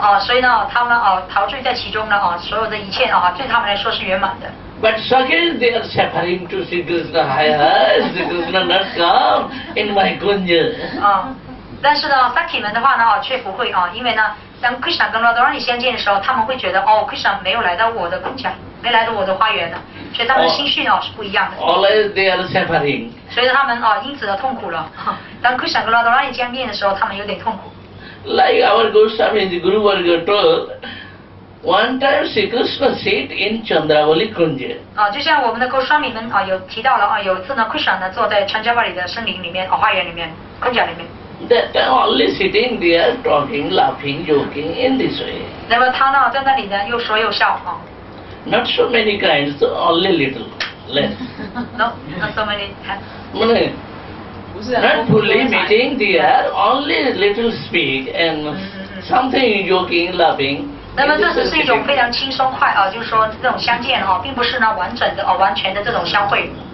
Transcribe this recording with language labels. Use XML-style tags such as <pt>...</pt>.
<zh>所以呢他们陶醉在其中呢所有的一切对他们来说是圆满的。</zh> <en>But Sakhi, they are suffering to Sri Krishna, hi, hi, Sri Krishna not come in my Gunja.</en> <zh>但是呢 Sakhi 们的话呢却不会因为呢当 Krishna 跟 Radharani 相见的时候，他们会觉得Krishna 没有来到我的宫墙，没来到我的花园呢，所以他们的心绪是不一样的。</zh> <en>Always they are suffering.</en> <zh>所以他们因此的痛苦了。当 Krishna 跟 Radharani 相见的时候，他们有点痛苦。</zh> <en>Like our Goswami Guru Varga told, one time Sri Krishna sit in Chandravali Kunja.</en> <zh>就像我们的 Goswami 们有提到了有一次呢 ，Krishna 呢坐在 Chandravali 的森林里面花园里面，宫墙里面。</zh> <en>that time only sitting there talking, laughing, joking in this way.</en> <zh>那么他呢，站在那里呢，又说又笑啊。</zh> <en>Not so many kinds, only little, less. No, not so many.</en> <zh>不是。</zh> <en>Not fully meeting the air, only little speak and something joking, laughing.</en> <zh>那么这只是一种非常轻松快啊，就是说这种相见哈，并不是呢完整的哦，完全的这种相会。</zh>